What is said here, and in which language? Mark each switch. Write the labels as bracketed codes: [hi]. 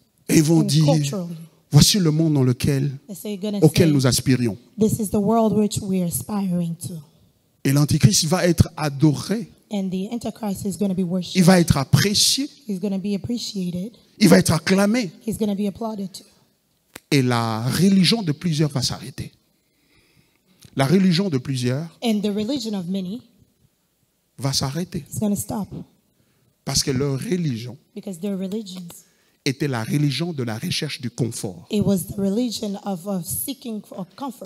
[fr] et ils vont dire, voici le monde dans lequel, auquel [en] say, [fr] nous aspirions. [en] This is the world which we are aspiring to. [fr] Et l'Antichrist va être adoré. [en] And the Antichrist is gonna be worshipped. [fr] Il va être apprécié. [en] He's gonna be appreciated. [fr] Il va être acclamé. [en] He's gonna be applauded. [fr] Et la religion de plusieurs va s'arrêter. La religion de plusieurs [en] and the religion of many [fr] va s'arrêter. [en] It's gonna stop. [fr] Parce que leur religion [en] because their religions [fr] était la religion de la recherche du confort. [en] It was the religion of seeking for comfort.